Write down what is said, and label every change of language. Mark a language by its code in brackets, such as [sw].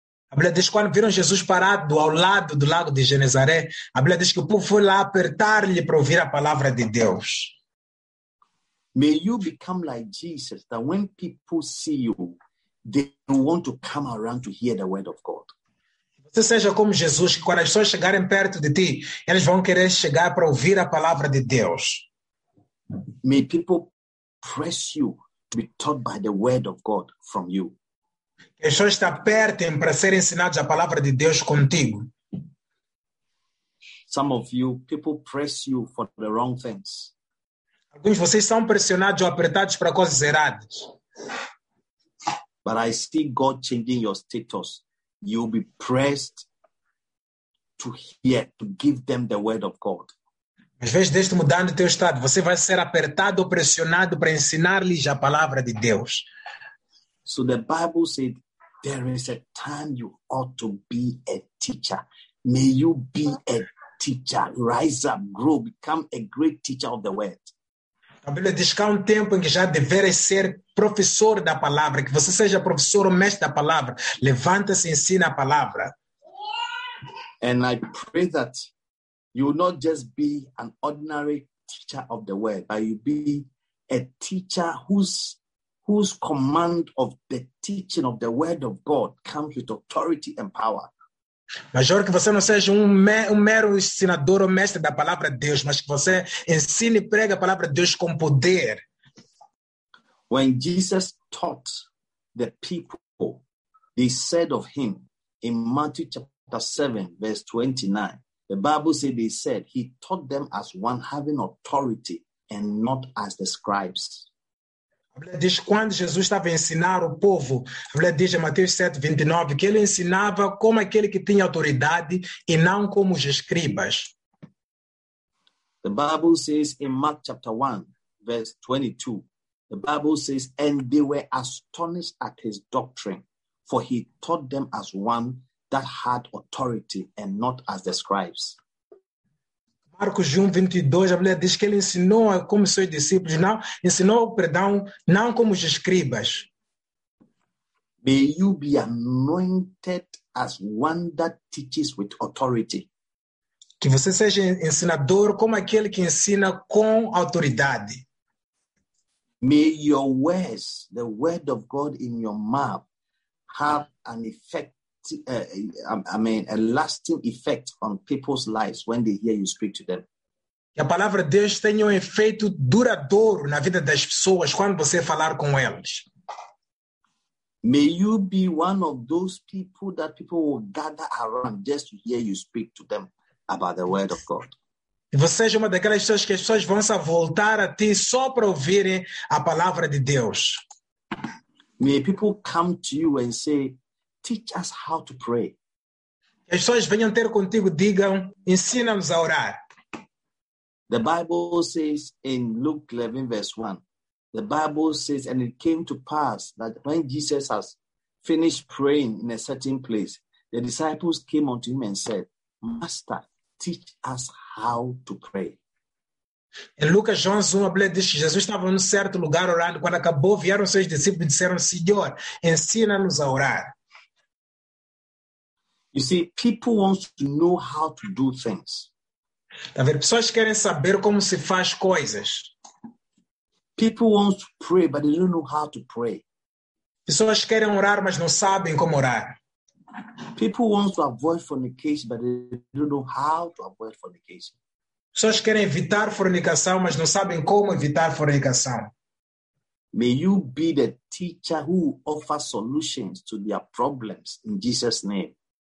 [pt] A Bíblia diz que quando viram Jesus parado ao lado do lago de Genezaré, a Bíblia diz que o povo foi lá apertar-lhe para ouvir a palavra de Deus. [en] May you become like Jesus, that when people see you, they want to come around to hear the word of God. [pt] Você seja como Jesus, que quando as pessoas chegarem perto de ti, elas vão querer chegar para ouvir a palavra de Deus. [en] May people press you to be taught by the word of God from you. [pt] Que as pessoas te apertem para serem ensinadas a palavra de Deus contigo. [en] Some of you, people press you for the wrong things. [pt] Alguns de vocês são pressionados ou apertados para coisas erradas. [en] But I see God changing your status. You'll be pressed to hear, to give them the word of God. [pt] Mas vejo Deus mudando o teu estado. Você vai ser apertado ou pressionado para ensinar-lhes a palavra de Deus. [en] So the Bible said, there is a time you ought to be a teacher. May you be a teacher. Rise up, grow, become a great teacher of the word. [pt] A Bíblia diz que há tempo em que já deveres ser professor da palavra, que você seja professor ou mestre da palavra. Levanta-se e ensina a palavra. [en] And I pray that you will not just be an ordinary teacher of the word, but you be a teacher whose command of the teaching of the word of God comes with authority and power. [pt] Mas oro que você não seja mero ensinador ou mestre da palavra de Deus, mas que você ensine e pregue a palavra de Deus com poder. [en] When Jesus taught the people, they said of him in Matthew chapter 7, verse 29, the Bible said they said he taught them as one having authority and not as the scribes. [pt] A Bíblia diz que quando Jesus estava a ensinar o povo, a Bíblia diz em Mateus 7, 29, que ele ensinava como aquele que tinha autoridade e não como os escribas. [en] The Bible says in Mark chapter 1, verse 22, the Bible says, and they were astonished at his doctrine, for he taught them as one that had authority and not as the scribes. [pt] Marcos 1, 22, a Bíblia diz que ele ensinou como seus discípulos, não, ensinou, perdão, não como os escribas. [en] May you be anointed as one that teaches with authority. [pt] Que você seja ensinador como aquele que ensina com autoridade. [en] May your words, the word of God in your mouth, have an effect. A lasting effect on people's lives when they hear you speak to them. [pt] Que a palavra de Deus tenha efeito duradouro na vida das pessoas quando você falar com elas. [en] May you be one of those people that people will gather around just to hear you speak to them about the word of God. [pt] E você seja uma daquelas pessoas que as pessoas vão se voltar a ti só para ouvirem a palavra de Deus. [en] May people come to you and say, teach us how to pray. [pt] As pessoas venham ter contigo, digam, ensina-nos a orar. [en] The Bible says in Luke 11, verse 1, the Bible says, and it came to pass that when Jesus has finished praying in a certain place, the disciples came unto him and said, Master, teach us how to pray. [pt] Em Lucas 11, a Bíblia diz que Jesus estava num certo lugar orando. Quando acabou, vieram seus discípulos e disseram, Senhor, ensina-nos a orar. [en] You see, people want to know how to do things. [pt] Tá vendo? Pessoas querem saber como se faz coisas. [en] People want to pray, but they don't know how to pray. [pt] Pessoas querem orar, mas não sabem como orar. [en] People want to avoid fornication, but they don't know how to avoid fornication. [pt] Pessoas querem evitar fornicação, mas não sabem como evitar fornicação. [en] May you be the teacher who offers solutions to their problems in Jesus' name.